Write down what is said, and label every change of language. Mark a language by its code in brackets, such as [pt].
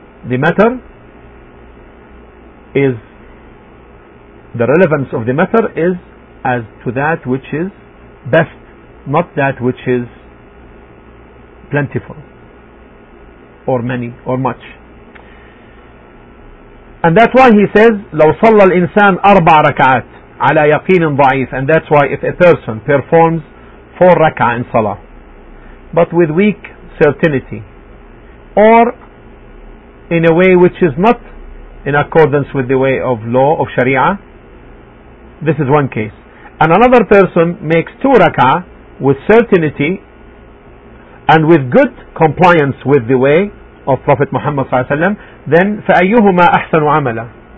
[en] The matter is, the relevance of the matter is as to that which is best, not that which is plentiful or many or much. And that's why he says, [ar] لو صلى الإنسان أربع ركعات على يقين ضعيف. [en] And that's why if a person performs four rak'ah in salah, but with weak certainty, or in a way which is not in accordance with the way of law, of sharia, this is one case. And another person makes two rak'ah with certainty and with good compliance with the way of Prophet Muhammad sallallahu alaihi wasallam, then [ar] فَأَيُّهُمَا أَحْسَنُ عَمَلًا.